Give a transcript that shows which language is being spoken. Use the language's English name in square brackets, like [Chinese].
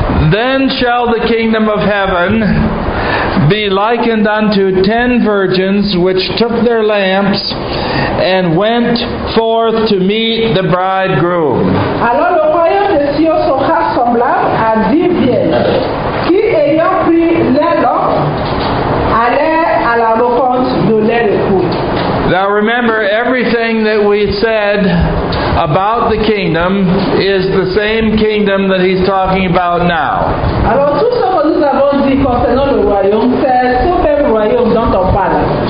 [English] Then shall the kingdom of heaven be likened unto 10 virgins which took their lamps and went forth to meet the bridegroom. [French] Alors le royaume des cieux sera semblable à 10 vierges qui ayant pris leurs lampes allaient à la rencontre de leur époux. [English] Now remember, everything that we said about the kingdom is the same kingdom that he's talking about now. [French] Alors tout ce que nous avons dit concernant le royaume, c'est ce même royaume dont on parle.